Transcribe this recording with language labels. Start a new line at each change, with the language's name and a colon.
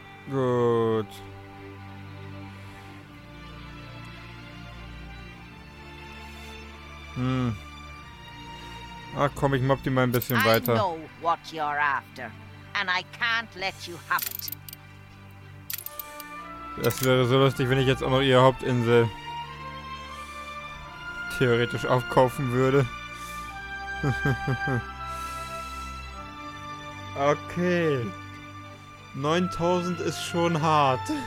German: Gut. Ach komm, ich mob die mal ein bisschen weiter.
English: I know what you're after, and I can't let you have it.
German: Das wäre so lustig, wenn ich jetzt auch noch ihre Hauptinsel theoretisch aufkaufen würde. Okay. 9000 ist schon hart.